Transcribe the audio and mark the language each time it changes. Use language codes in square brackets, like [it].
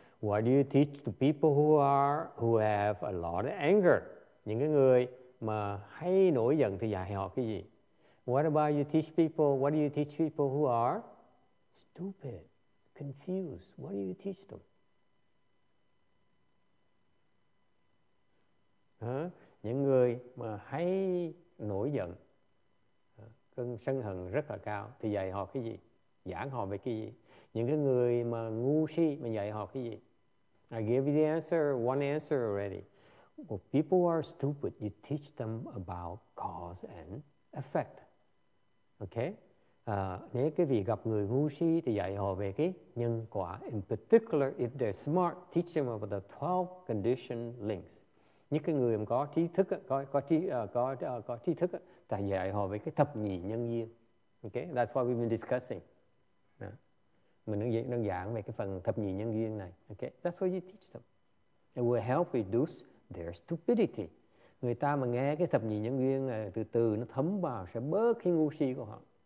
[en] What do you teach to people who have a lot of anger? [vi] Những cái người mà hay nổi giận thì dạy họ cái gì? [en] What do you teach people who are stupid, confused? What do you teach them? [vi] Những người mà hay nổi giận, cơn sân hận rất là cao thì dạy họ cái gì? Giảng họ về cái gì? Những cái người mà ngu si mà dạy họ cái gì? [en] I give you the answer, one answer already. Well, people who are stupid, you teach them about cause and effect. Okay? [vi] Nếu cái vị gặp người ngu si thì dạy họ về cái nhân quả. [en] In particular, if they're smart, teach them about the 12 condition links. [vi] Những cái người mà có trí thức, ta dạy họ về cái thập nhị nhân duyên. Okay? [en] That's what we've been discussing. [vi] Mình đang giảng về cái phần thập nhị nhân duyên này. Okay? [en] That's what you teach them. It will help reduce their stupidity. [vi] Người ta mà nghe cái thập nhị nhân duyên này, từ từ nó thấm vào, sẽ bớt cái ngu si của họ.